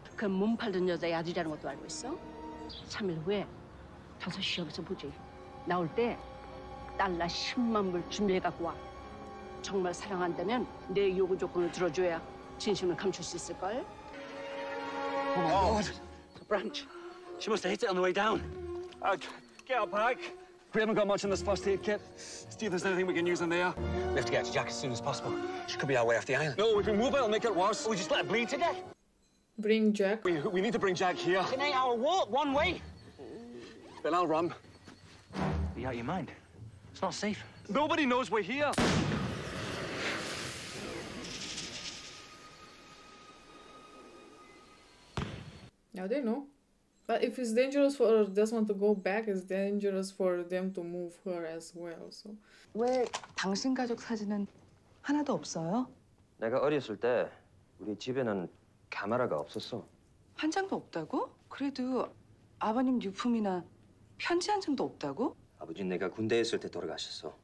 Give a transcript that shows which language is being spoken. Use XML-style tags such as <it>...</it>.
<ko>그 몸 팔던 여자의 아들이라는 것도 알고 있어? 3일 후에 5시 여기서 보지. 나올 때 달러 10만 불 준비해갖고 와. 정말 사랑한다면 내 요구 조건을 들어줘야 진심을 감출 수 있을걸?</ko> <en>Oh, my God. A branch. She must have hit it on the way down. Get our bike. We haven't got much in this first aid kit. See if there's anything we can use in there. We have to get to Jack as soon as possible. She could be our way off the island. No, if we move it, it'll make it worse. We just let her bleed to death. Bring Jack. We need to bring Jack here. An 8-hour walk, one way. Then I'll run. Be out of your mind. It's not safe. Nobody knows we're here. Now they know. But if it's dangerous for Desmond to go back, it's dangerous for them to move her as well. So.</en> <ko>왜 당신 가족 사진은 하나도 없어요? 내가 어렸을 때 우리 집에는 카메라가 없었어. 한 장도 없다고? 그래도 아버님 유품이나 편지 한 장도 없다고? 아버지는 내가 군대에 있을 때 돌아가셨어.</ko>